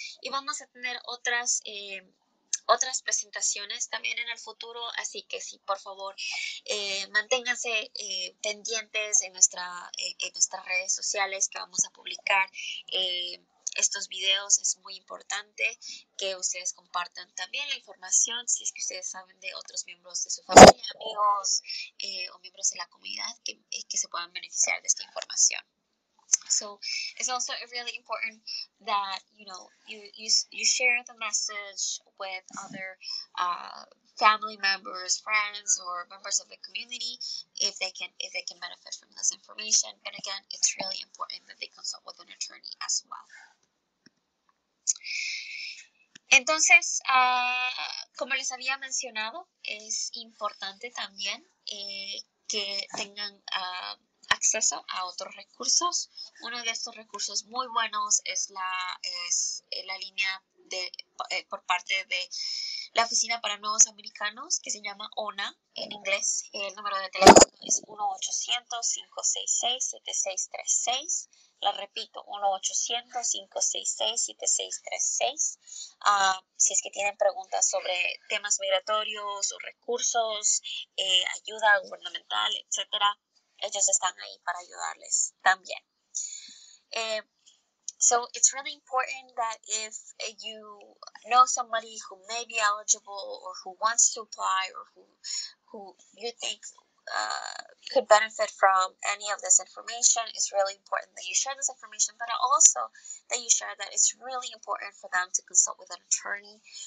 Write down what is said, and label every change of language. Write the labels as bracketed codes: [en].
[es] Y vamos a tener otras presentaciones también en el futuro, así que sí, por favor, manténganse pendientes en nuestras redes sociales que vamos a publicar estos videos. Es muy importante que ustedes compartan también la información si es que ustedes saben de otros miembros de su familia, amigos o miembros de la comunidad que se puedan beneficiar de esta información. [en] So it's also really important that, you know, you share the message with other family members, friends, or members of the community if they can benefit from this information. But again, it's really important that they consult with an attorney as well. [es] Entonces, como les había mencionado, es importante también que tengan acceso a otros recursos. Uno de estos recursos muy buenos es la línea por parte de la Oficina para Nuevos Americanos, que se llama ONA en inglés. El número de teléfono es 1-800-566-7636. La repito, 1-800-566-7636. Si es que tienen preguntas sobre temas migratorios o recursos, ayuda gubernamental, etcétera, ellos están ahí para ayudarles también. [en] So it's really important that if you know somebody who may be eligible or who wants to apply or who you think could benefit from any of this information, it's really important that you share this information, but also that you share that it's really important for them to consult with an attorney.